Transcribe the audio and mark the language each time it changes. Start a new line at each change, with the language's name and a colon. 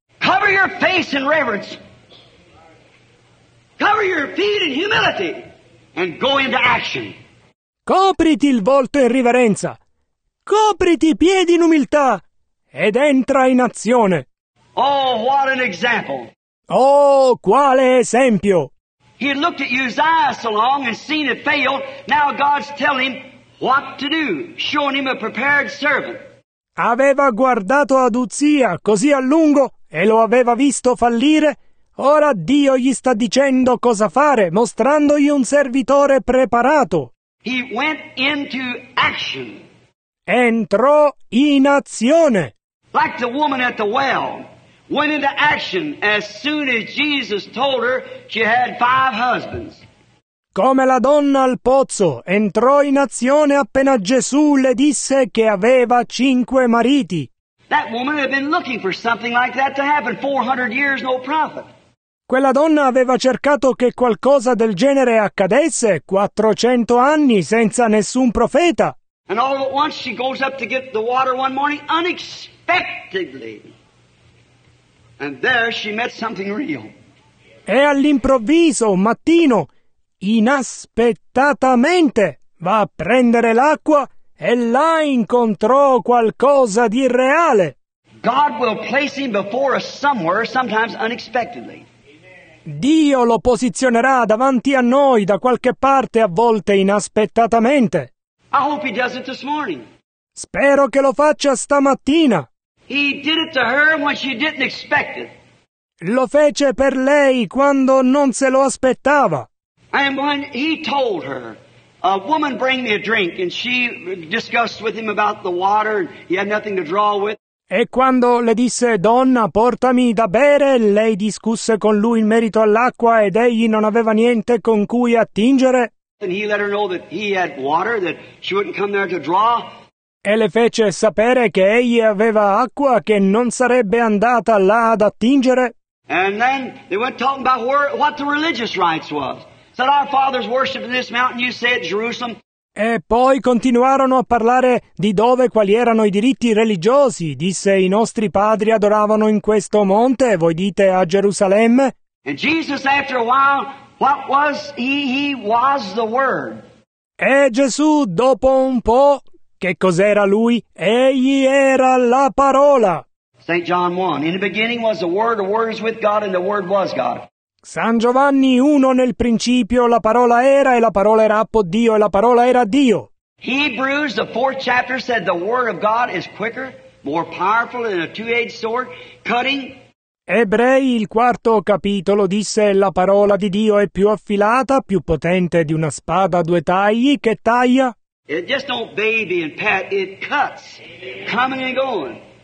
English: Cover your face in reverence. Cover your feet in humility and go into action.
Italian: Copriti il volto in riverenza. Copriti i piedi in umiltà ed entra in azione.
English: Oh, what an example.
Italian: Oh, quale esempio.
English: He had looked at Uzziah so long and seen it fail. Now God's telling him what to do, showing him a prepared servant.
Italian: Aveva guardato ad Uzzia così a lungo e lo aveva visto fallire. Ora Dio gli sta dicendo cosa fare, mostrandogli un servitore preparato.
English: He went into action.
Italian: Entrò in azione.
English: Like the woman at the well. Went into action as soon as Jesus told her she had five husbands.
Italian: Come la donna al pozzo entrò in azione appena Gesù le disse che aveva cinque mariti.
English: That woman had been looking for something like that to happen 400 years, no prophet.
Italian: Quella donna aveva cercato che qualcosa del genere accadesse 400 anni senza nessun profeta.
English: And all at once she goes up to get the water one morning unexpectedly. And there she met something real.
Italian: E all'improvviso, un mattino, inaspettatamente, va a prendere l'acqua e là incontrò qualcosa di reale.
English: God will place him before us somewhere, sometimes unexpectedly.
Italian: Dio lo posizionerà davanti a noi da qualche parte, a volte inaspettatamente.
English: I hope he does it this morning.
Italian: Spero che lo faccia stamattina.
English: He did it to her when she didn't expect it.
Italian: Lo fece per lei quando non se lo aspettava.
English: And when he told her, a woman bring me a drink, and she discussed with him about the water, and he had nothing to draw with.
Italian: E quando le disse, donna, portami da bere, lei discusse con lui in merito all'acqua, ed egli non aveva niente con cui attingere.
English: And he let her know that he had water, that she wouldn't come there to draw.
Italian: E le fece sapere che egli aveva acqua che non sarebbe andata là ad attingere.
English: And then they went talking about what the religious rites was. Said our fathers worshipped in this mountain, you say at Jerusalem.
Italian: E poi continuarono a parlare di dove quali erano i diritti religiosi. Disse i nostri padri adoravano in questo monte, voi dite a Gerusalemme.
English: And Jesus after a while, what was he? He was the word.
Italian: E Gesù dopo un po', che cos'era lui? Egli era la parola.
English: St. John 1. In the beginning was the Word is with God, and the Word was God.
Italian: San Giovanni 1. Nel principio la parola era, e la parola era appo Dio, e la parola era Dio.
English: Hebrews, the fourth chapter, said the Word of God is quicker, more powerful than a two-edged sword, cutting.
Italian: Ebrei, il quarto capitolo, disse: la parola di Dio è più affilata, più potente di una spada a due tagli, che taglia.
English: It just don't baby and pat, it cuts, coming and going.